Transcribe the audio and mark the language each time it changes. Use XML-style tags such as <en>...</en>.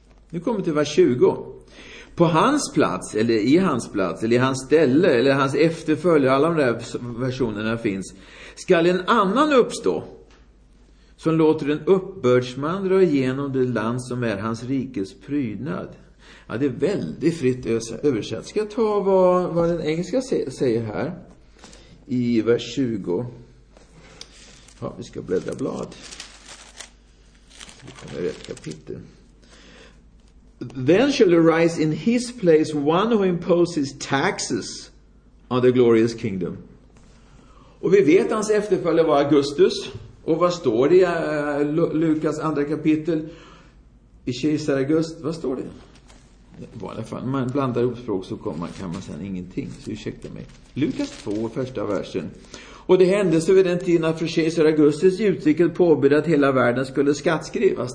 <sv>Nu kommer till vers 20. På hans plats, eller i hans plats, eller i hans ställe, eller hans efterföljare, alla de där versionerna finns, skall en annan uppstå som låter en uppbördsman dra igenom det land som är hans rikes prydnad. Ja, det är väldigt fritt översatt. Ska jag ta vad den engelska säger här i vers 20. Ja, vi ska bläddra blad. Det kommer rätt kapitel.</sv> <en>Then shall arise in his place one who imposes taxes on the glorious kingdom.</en> <sv>Och vi vet hans efterföljare var Augustus. Och vad står det i Lukas andra kapitel? I kejsar August, vad står det? Om man blandar upp språk så kan man säga ingenting. Så ursäkta mig. Lukas 2, första versen. Och det hände så vid den tiden att för kejsar Augustus uttrycket påbörjade att hela världen skulle skattskrivas.</sv>